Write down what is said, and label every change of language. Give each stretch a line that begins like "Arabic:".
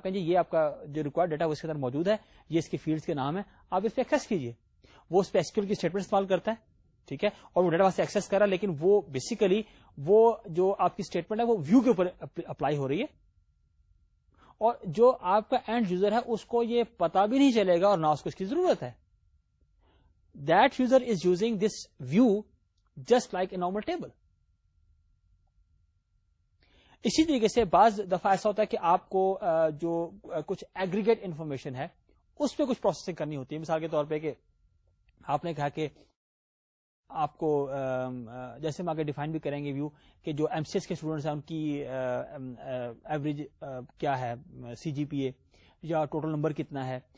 Urdu: آپ کہیں جی یہ آپ کا جو ریکوائرڈ ڈیٹا اس کے اندر موجود ہے, یہ اس کے فیلڈز کے نام ہے, آپ اس پہ ایکسس کیجیے. وہ اس پہ ایسکیول کی اسٹیٹمنٹ استعمال کرتا ہے ٹھیک ہے اور وہ ڈیٹا سے ایکسس کر رہا ہے, لیکن وہ بیسیکلی وہ جو آپ کی اسٹیٹمنٹ ہے وہ ویو کے اوپر اپلائی ہو رہی ہے, اور جو آپ کا اینڈ یوزر ہے اس کو یہ پتا بھی نہیں چلے گا اور نہ اس کو اس کی ضرورت ہے.
English: That user is using this view just like a normal table.
Urdu: اسی طریقے سے بعض دفعہ ایسا ہوتا ہے کہ آپ کو جو کچھ ایگریگیٹ انفارمیشن ہے اس پہ کچھ پروسیسنگ کرنی ہوتی ہے. مثال کے طور پہ کہ آپ نے کہا کہ آپ کو جیسے ہم آگے ڈیفائن بھی کریں گے ویو کہ جو ایم سی ایس کے اسٹوڈینٹس ہیں ان کی ایوریج کیا ہے سی جی پی اے یا ٹوٹل نمبر کتنا ہے.